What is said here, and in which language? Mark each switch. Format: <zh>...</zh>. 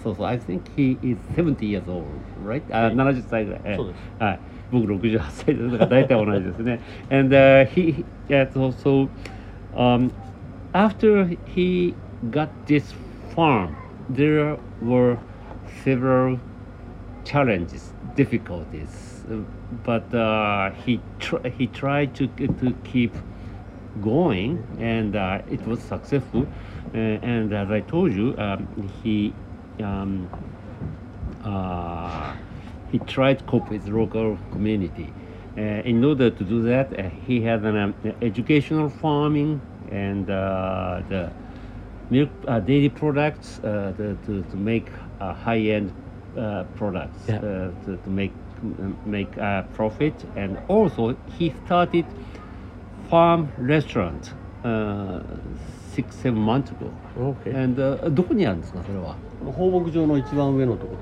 <en>So I think he is 70 years old, right?</en> <ja>70歳ぐらい。そうです。はい。僕68歳ですから大体同じですね。</ja> <en>And after he got this farm, there were several challenges, difficulties. But he tried to keep going, and it was successful. And as I told you, he tried to cope with local community. In order to do that, he had an educational farming and the milk dairy products to make high-end products, yeah. to make a profit. And also, he started farm restaurant 6-7 months ago. Okay.</en> <ja>And どこにあるんですか、それは。放牧場の一番上のところです、</ja>